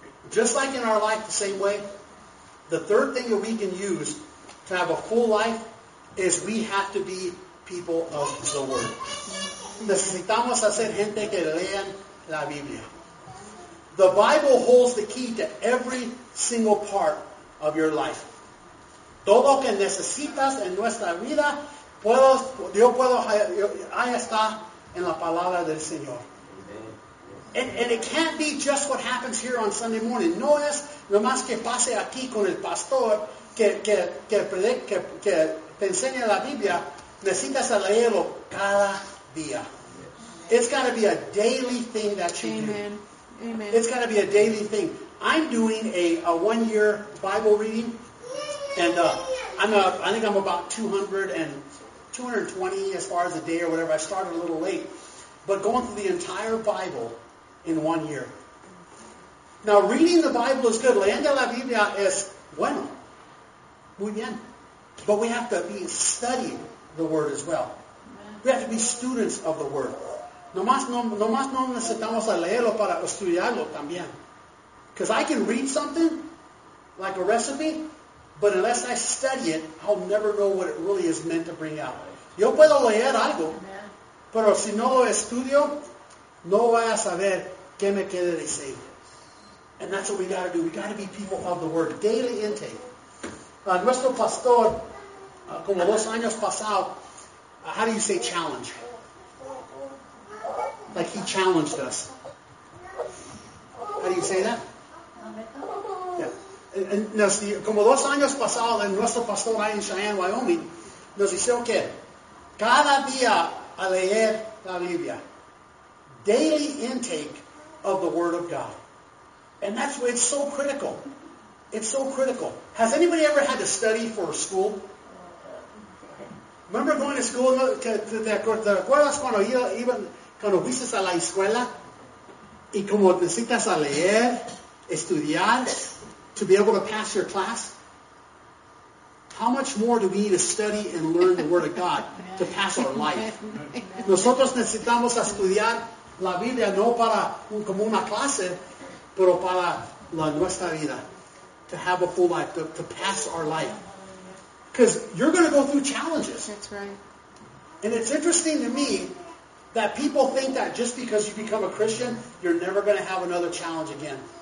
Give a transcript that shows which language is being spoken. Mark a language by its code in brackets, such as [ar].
[en] Just like in our life, the same way, the third thing that we can use to have a full life is we have to be people of the Word. [es] Necesitamos hacer gente que lean la Biblia. [en] The Bible holds the key to every single part of your life. [es] Todo que necesitas en nuestra vida, ahí está en la palabra del Señor. [en] And it can't be just what happens here on Sunday morning. [es] No es nomás que pase aquí con el pastor que te enseñe la Biblia. Necesitas leerlo cada día. Yes. [en] It's got to be a daily thing that you Amen. Do. Amen. It's got to be a daily thing. I'm doing a one-year Bible reading. And I think I'm about 220 as far as a day or whatever. I started a little late. But going through the entire Bible in 1 year. Now, reading the Bible is good. [es] Leyendo la Biblia es bueno. Muy bien. [en] But we have to be studying the Word as well. We have to be students of the Word. [es] No más necesitamos leerlo para estudiarlo también. [en] Because I can read something, like a recipe, but unless I study it, I'll never know what it really is meant to bring out. [es] Yo puedo leer algo, pero si no lo estudio, no voy a saber qué me quiere decir. [en] And that's what we got to do. We got to be people of the Word. Daily intake. [es] Nuestro pastor, como dos años pasado, [en] how do you say challenge? Like he challenged us. How do you say that? Yeah. [es] Como dos años pasado, en nuestro pastor ahí en Cheyenne, Wyoming, nos dice, ¿qué? Cada día a leer la Biblia. [en] Daily intake of the Word of God. And that's why it's so critical. It's so critical. Has anybody ever had to study for school? Remember going to school? [es] ¿Te acuerdas cuando fuiste a la escuela? Y como necesitas a leer, estudiar, [en] to be able to pass your class? How much more do we need to study and learn the Word of God to pass our life? [es] Nosotros necesitamos estudiar la Biblia no para como una clase, pero para la nuestra vida. [en] To have a full life, to pass our life. Because you're going to go through challenges. That's right. And it's interesting to me that people think that just because you become a Christian, you're never going to have another challenge again.